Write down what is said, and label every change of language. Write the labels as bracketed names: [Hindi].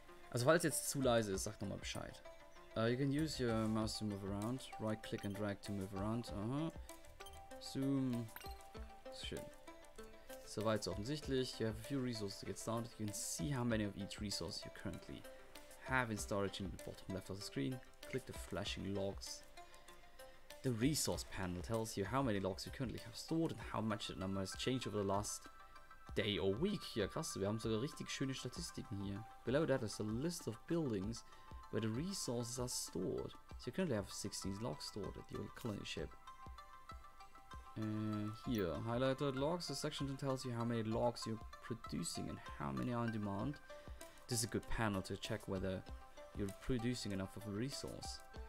[German] Also, falls jetzt zu leise ist, sag nochmal Bescheid. [English] You can use your mouse to move around. Right click and drag to move around. Zoom. [German] Schön. Soweit so offensichtlich. [English] You have a few resources to get started. You can see how many of each resource you currently have in storage in the bottom left of the screen. Click the flashing logs. The resource panel tells you how many logs you currently have stored and how much the number has changed over the last day or week. [German] Ja, krass, wir haben sogar richtig schöne Statistiken hier. [English] Below that is a list of buildings where the resources are stored. So you currently have 16 logs stored at your colony ship. Here, highlighted logs. The section that tells you how many logs you're producing and how many are in demand. This is a good panel to check whether you're producing enough of a resource.